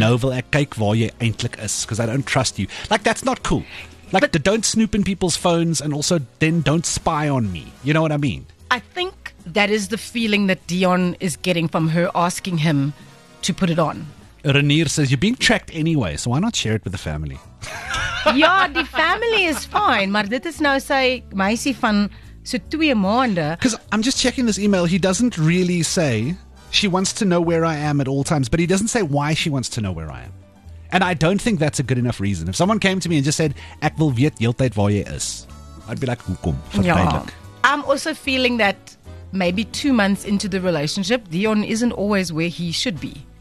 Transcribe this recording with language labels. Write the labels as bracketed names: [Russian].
[Afrikaans] Nou wil ek kyk waar jy eintlik is, [English] because I don't trust you. Like, that's not cool. Like, but don't snoop in people's phones and also then don't spy on me. You know what I mean? I think that is the feeling that Dion is getting from her asking him to put it on. Renier says, you're being tracked anyway, so why not share it with the family? [Afrikaans] Ja, die family is fine, maar dit is nou sy meisie van so 2 maande. [English] Because I'm just checking this email. He doesn't really say she wants to know where I am at all times, but he doesn't say why she wants to know where I am. And I don't think that's a good enough reason. If someone came to me and just said, [Afrikaans] ek wil weet heeltyd waar jy is, [English] I'd be like, [Afrikaans] hoekom? Ja. [English] I'm also feeling that maybe 2 months into the relationship, Dion isn't always where he should be.